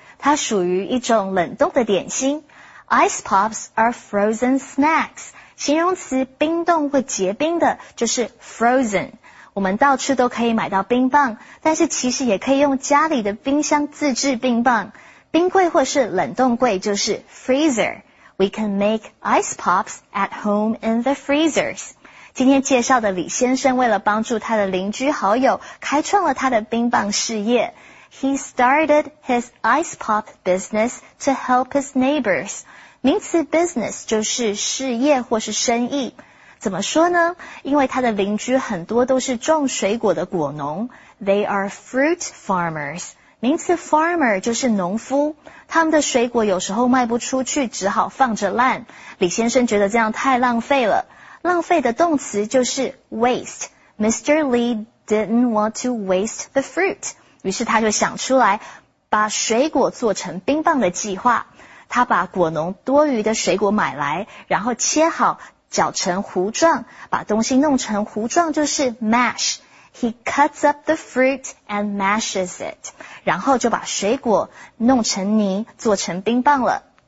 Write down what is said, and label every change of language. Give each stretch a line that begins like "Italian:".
Chinese: 它属于一种冷冻的点心。
English: Ice pops are frozen snacks.
Chinese: 形容词冰冻或结冰的就是 frozen. 我们到处都可以买到冰棒，但是其实也可以用家里的冰箱自制冰棒。冰柜或是冷冻柜就是 freezer。
English: We can make ice pops at home in the freezers.
Chinese: 今天介绍的李先生为了帮助他的邻居好友，开创了他的冰棒事业。
English: He started his ice pop business to help his neighbors.
Chinese: 名词 business 就是事业或是生意。怎么说呢？因为他的邻居很多都是种水果的果农。
English: They are fruit farmers.
Chinese: 名词
English: farmer
Chinese: 就是农夫。他们的水果有时候卖不出去，只好放着烂。李先生觉得这样太浪费了。浪费的动词就是 waste. Mr.
English: Lee didn't want to waste the fruit.
Chinese: 于是他就想出来把水果做成冰棒的计划。他把果农多余的水果买来，然后切好搅成糊状，把东西弄成糊状就是 mash.
English: He cuts up the fruit and mashes it.
Chinese: 然后就把水果弄成泥，做成冰棒了。